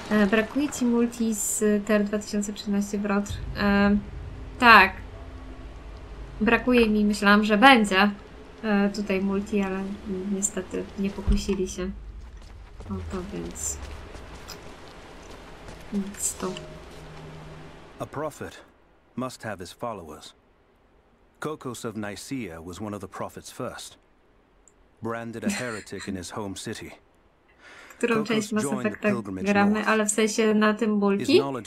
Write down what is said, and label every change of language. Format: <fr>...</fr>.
<pl>Brakuje ci multi z TR 2013 w ROTR? Tak. Brakuje mi, myślałam, że będzie tutaj multi, ale niestety nie pokusili się o to, więc... Nic to.</pl> <en>A prophet must have his followers. Kokos of Nicaea was one of the prophets first. Branded a heretic in his home city.</en> <pl>Którą część Mass Effecta gramy, ale w sensie na tym bulki?</pl>